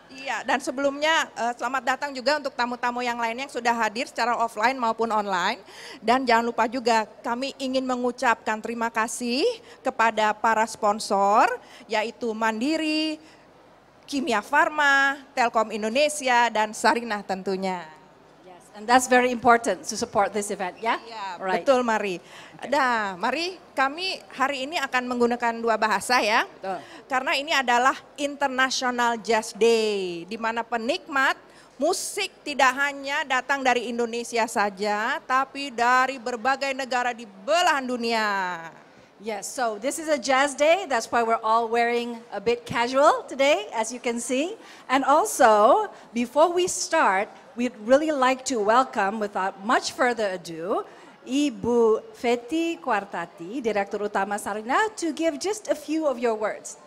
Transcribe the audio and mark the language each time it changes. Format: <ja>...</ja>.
<id>Iya, dan sebelumnya selamat datang juga untuk tamu-tamu yang lainnya yang sudah hadir secara offline maupun online. Dan jangan lupa juga kami ingin mengucapkan terima kasih kepada para sponsor, yaitu Mandiri, Kimia Farma, Telkom Indonesia, dan Sarinah tentunya.</id> <en>Yes, and that's very important to support this event, ya? Yeah?</en> <id>Iya,</id> <en>right. Betul, Mari. Okay.</en> <id>Nah, Mari, kami hari ini akan menggunakan 2 bahasa ya. Betul. Karena ini adalah International Jazz Day, di mana penikmat musik tidak hanya datang dari Indonesia saja, tapi dari berbagai negara di belahan dunia.</id> <en>Yes, so this is a jazz day, that's why we're all wearing a bit casual today, as you can see. And also, before we start, we'd really like to welcome, without much further ado, Ibu Fetty Quartati, Direktur Utama Sarinah, to give just a few of your words.</en>